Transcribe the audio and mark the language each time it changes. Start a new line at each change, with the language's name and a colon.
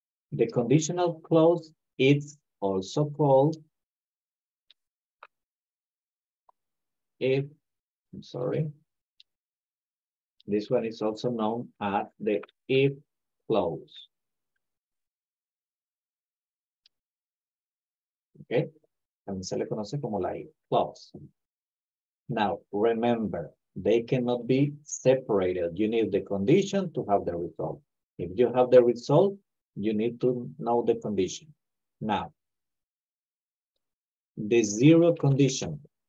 English: The conditional clause is also called if, I'm sorry, this one is also known as the if clause.
Spanish: Okay, también se le conoce como la if clause.
English: Now, remember, they cannot be separated. You need the condition to have the result. If you have the result, you need to know the condition. Now, the zero condition.